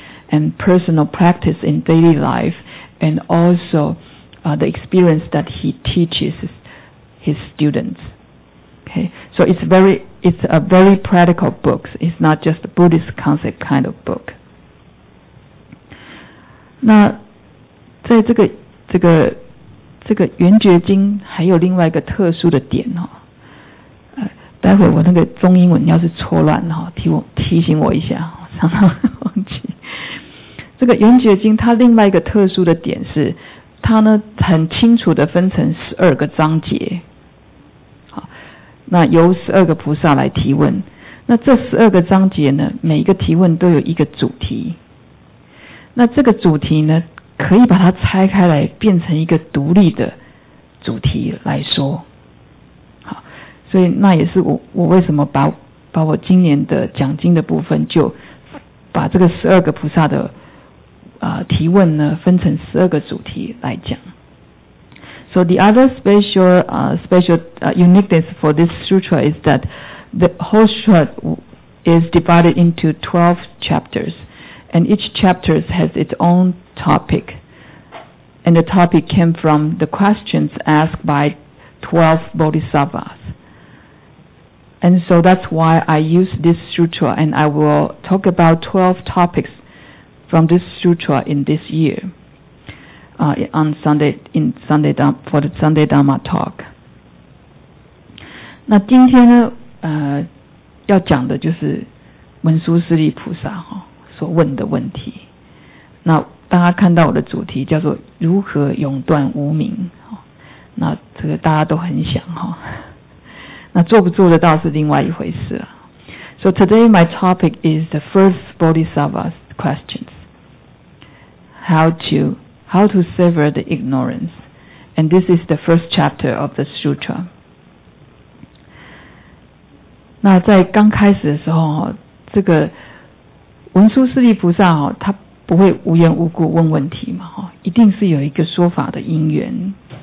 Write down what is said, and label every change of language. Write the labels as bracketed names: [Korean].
[English] and personal practice in daily life, and also the experience that he teaches his students. Okay, so it's a very practical book. It's not just a Buddhist concept kind of book. [Chinese] 那在这个圆觉经还有另外一个特殊的点哦，待会我那个中英文要是错乱哦，提醒我一下，常常忘记。这个圆觉经它另外一个特殊的点是，它呢很清楚的分成12个章节，好，那由12个菩萨来提问，那这12个章节呢，每一个提问都有一个主题，那这个主题呢，可以把它拆开来变成一个独立的主题来说，好，所以那也是我为什么把我今年的讲经的部分就把这个12个菩萨的提问呢分成12个主题来讲。 [English] So the other uniqueness for this sutra is that the whole sutra is divided into 12 chapters and each chapter has its own topic and the topic came from the questions asked by 12 bodhisattvas and so that's why I use this sutra and I will talk about 12 topicsfrom this sutra in this year, for the Sunday Dharma talk. [Chinese] 那今天呢，要讲的就是文殊师利菩萨哈所问的问题。那大家看到我的主题叫做如何永断无明，那这个大家都很想哈。那做不做得到是另外一回事啊。 [English] So today my topic is the first Bodhisattva's questions. How to sever the ignorance. And this is the first chapter of the sutra. [Chinese] 那在刚开始的时候，这个文殊师利菩萨他不会无缘无故问问题嘛，一定是有一个说法的因缘。